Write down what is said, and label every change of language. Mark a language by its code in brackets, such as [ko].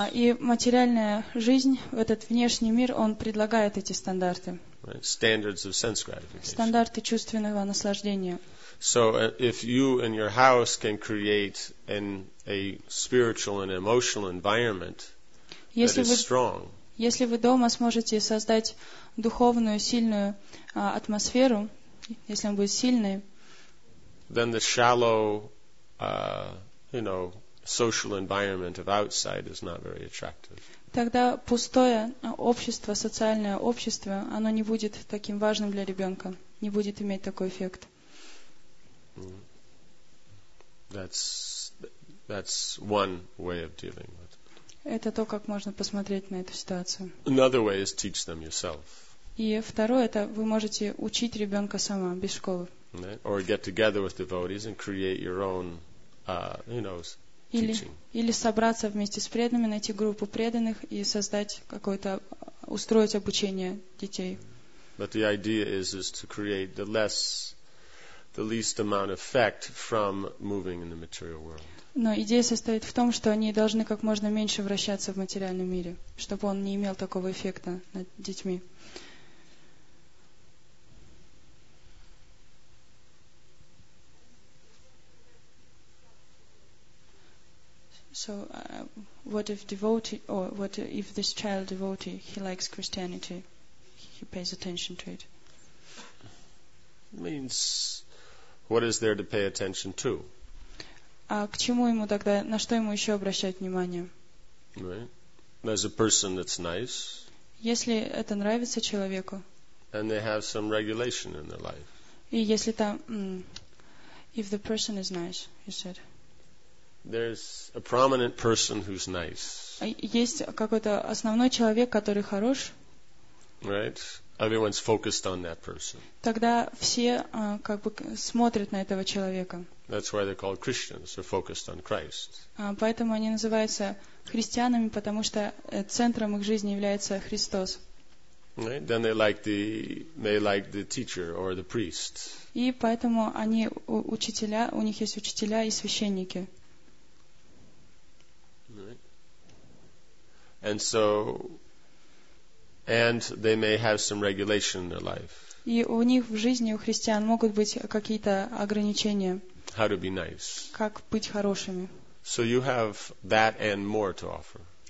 [ru] И материальная жизнь, этот внешний мир, он предлагает эти стандарты. [en] Right. Standards of sense gratification. [ru] Стандарты чувственного наслаждения. [en] So if you and your house can create a spiritual and emotional environment that is strong. [ru] Если вы дома сможете создать духовную сильную атмосферу, если она будет сильной, [en] then the shallow social environment of outside is not very attractive. [ru] Тогда пустое общество, социальное общество, оно не будет таким важным для ребенка, не будет иметь такой эффект. [en] That's one way of dealing with it. [ru] Это то, как можно посмотреть на эту ситуацию. [en] Another way is teach them yourself. [ru] И второе, это вы можете учить ребенка сама, без школы. [en] Right? Or get together with devotees and create your own, teaching. [ru] Или собраться вместе с преданными, найти группу преданных и создать какое-то, устроить обучение детей. [en] But the idea is to create the least amount of effect from moving in the material world. [ru] Но идея состоит в том, что они должны как можно меньше вращаться в материальном мире, чтобы он не имел такого эффекта над детьми. [en] So, what if devotee, or what if this child devotee, he likes Christianity, he pays attention to it? Means, what is there to pay attention to? [ru] А к чему ему тогда, на что ему еще обращать внимание? [en] Right. There's a person that's nice. [ru] Если это нравится человеку. [en] And they have some regulation in their life. [ru] И если там, [en] if the person is nice, you said. There's a prominent person who's nice. [ru] Есть какой-то основной человек, который хорош. [en] Right. Everyone's focused on that person. [ru] Тогда все как бы смотрят на этого человека. [en] That's why they're called Christians. They're focused on Christ. [ru] Поэтому они называются христианами, потому что центром их жизни является Христос. [en] Right? Then they like the teacher or the priest. [ru] И поэтому они учителя, у них есть учителя и священники. [en] Right. And so. And they may have some regulation in their life. [ru] И у них в жизни у христиан могут быть какие-то ограничения. [en] How to be nice. [ru] Как быть хорошими. [en] So you have that and more to offer.